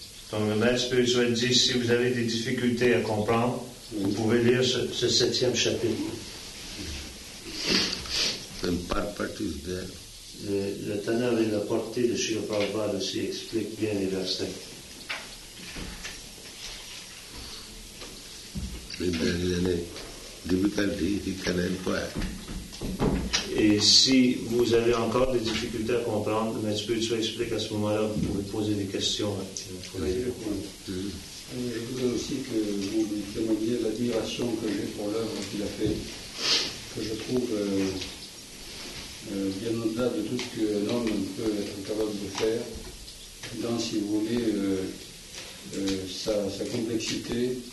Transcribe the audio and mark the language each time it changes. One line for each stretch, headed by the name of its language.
French: Donc le maître spirituel dit, si vous avez des difficultés à comprendre, vous pouvez lire ce 7e chapitre. Le teneur et la portée de Srila Prabhupada aussi expliquent bien les versets.
English: If there is any difficulty, he can inquire.
French: Et si vous avez encore des difficultés à comprendre, le maître spirituel explique à ce moment-là, vous pouvez poser des questions. Hein, oui. Je voudrais aussi que vous témoigniez l'admiration que j'ai pour l'œuvre qu'il a faite, que je trouve bien au-delà de tout ce qu'un homme peut être capable de faire, dans, si vous voulez, sa complexité.